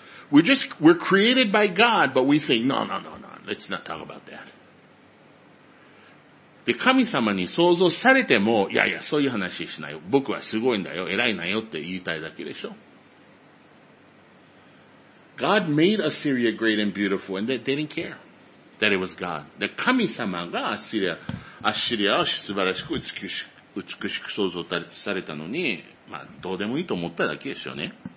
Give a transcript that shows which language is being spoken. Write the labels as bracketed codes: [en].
[en] We're created by God, but we think, no, let's not talk about that. [ja] で、神様に創造されても、いやいや、そういう話しないよ。僕はすごいんだよ、偉いなよって言いたいだけでしょ。 [en] God made Assyria great and beautiful, and they didn't care that it was God. [ja] で、神様がアッシリアを素晴らしく美しく創造されたのに、まあ、どうでもいいと思っただけですよね。